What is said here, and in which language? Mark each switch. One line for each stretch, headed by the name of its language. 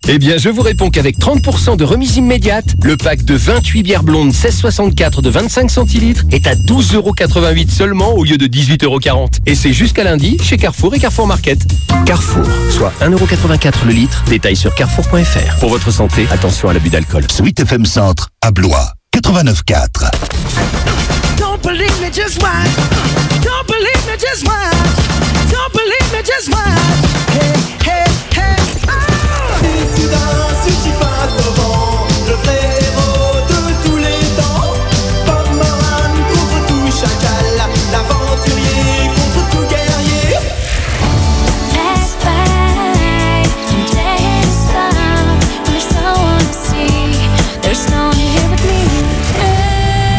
French: Eh bien, je vous réponds qu'avec 30% de remise immédiate, le pack de 28 bières blondes 1664 de 25 centilitres est à 12,88€ seulement au lieu de 18,40€. Et c'est jusqu'à lundi chez Carrefour et Carrefour Market. Carrefour, soit 1,84€ le litre. Détails sur carrefour.fr. Pour votre santé, attention à l'abus d'alcool. Sweet FM Centre, à Blois. 89.4.
English: Don't believe me, just watch. Don't believe me, just watch. Don't believe me, just watch. Hey, hey, hey. Oh!
French: Et soudain, ce qui passe au vent, le frérot de tous les temps. Bob Moran contre tout chacal, l'aventurier contre tout guerrier.
English: Let's fight and play in the sun. There's no one to see. There's no one here with me.